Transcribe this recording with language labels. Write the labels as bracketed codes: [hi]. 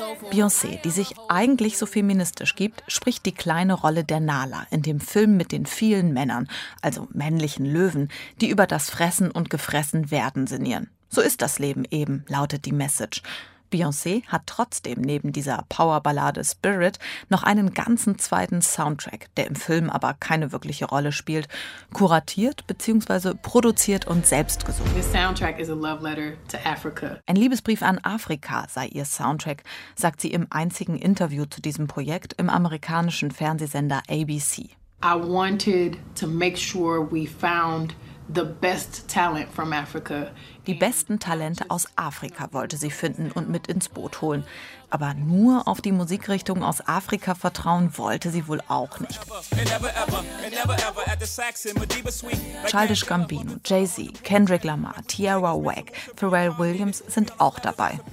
[de] Beyoncé, die sich eigentlich so feministisch gibt, spricht die kleine Rolle der Nala in dem Film mit den vielen Männern, also männlichen Löwen, die über das Fressen und Gefressenwerden sinnieren. So ist das Leben eben, lautet die Message. Beyoncé hat trotzdem neben dieser Powerballade Spirit noch einen ganzen zweiten Soundtrack, der im Film aber keine wirkliche Rolle spielt, kuratiert bzw. produziert und selbst gesungen. [en] This soundtrack is a love letter to Africa. [de] Ein Liebesbrief an Afrika sei ihr Soundtrack, sagt sie im einzigen Interview zu diesem Projekt im amerikanischen Fernsehsender ABC. [en] I wanted to make sure we found the best talent from Africa. [de] Die besten Talente aus Afrika wollte sie finden und mit ins Boot holen. Aber nur auf die Musikrichtung aus Afrika vertrauen wollte sie wohl auch nicht. Childish Gambino, Jay-Z, Kendrick Lamar, Tierra Whack, Pharrell Williams sind auch dabei.